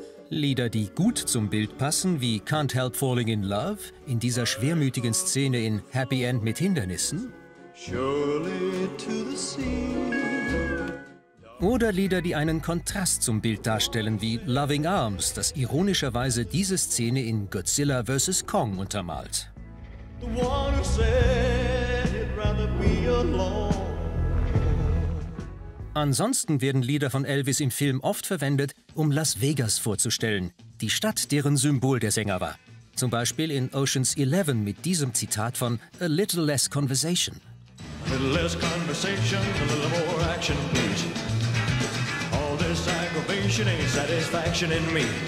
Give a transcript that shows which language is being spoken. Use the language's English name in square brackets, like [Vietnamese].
[German] Lieder, die gut zum Bild passen, wie Can't Help Falling in Love, in dieser schwermütigen Szene in Happy End mit Hindernissen. [English] Surely to the sea. [German] Oder Lieder, die einen Kontrast zum Bild darstellen, wie Loving Arms, das ironischerweise diese Szene in Godzilla vs. Kong untermalt. [English] The one who said he'd rather be alone. [German] Ansonsten werden Lieder von Elvis im Film oft verwendet, um Las Vegas vorzustellen, die Stadt, deren Symbol der Sänger war. Zum Beispiel in Ocean's 11 mit diesem Zitat von A Little Less Conversation. [English] A little less conversation, a little more action, please. All this aggravation ain't satisfaction in me.